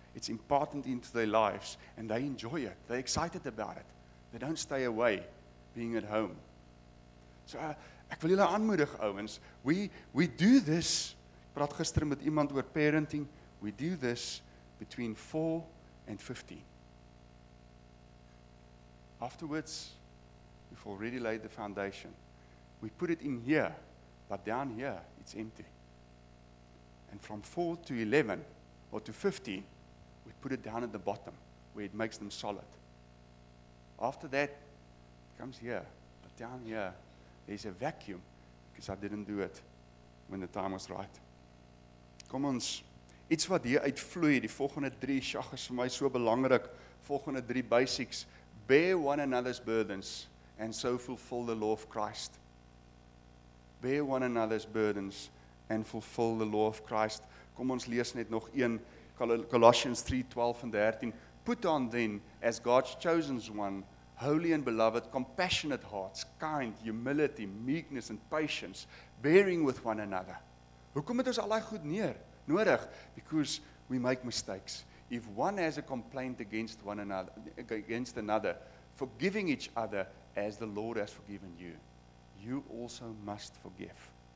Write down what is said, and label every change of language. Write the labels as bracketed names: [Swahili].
[English] It's important into their lives and they enjoy it. They're excited about it. They don't stay away being at home. [Afrikaans] So ek wil julle aanmoedig, ouens. [English] We do this. [Afrikaans] Ek praat gister met iemand oor parenting. [English] We do this between 4 and 15. Afterwards, we've already laid the foundation. We put it in here, but down here, it's empty. And from 4 to 11, or to 15, we put it down at the bottom, where it makes them solid. After that, it comes here, but down here, there's a vacuum, because I didn't do it when the time was right. [Afrikaans] Kom ons, iets wat hier uitvloei, die volgende 3 sjag is vir my so belangrik, volgende 3 basics, bear one another's burdens, and so fulfill the law of Christ. [English] bear one another's burdens and fulfill the law of Christ. [Afrikaans] Kom ons lees net nog een, Colossians 3, 12 and 13. [English] Put on then, as God's chosen one, holy and beloved, compassionate hearts, kind, humility, meekness and patience, bearing with one another. [Afrikaans] Hoekom het ons al die goed neer? Nodig? Because we make mistakes. [English] If one has a complaint against one another, against another, forgiving each other as the Lord has forgiven you, you also must forgive.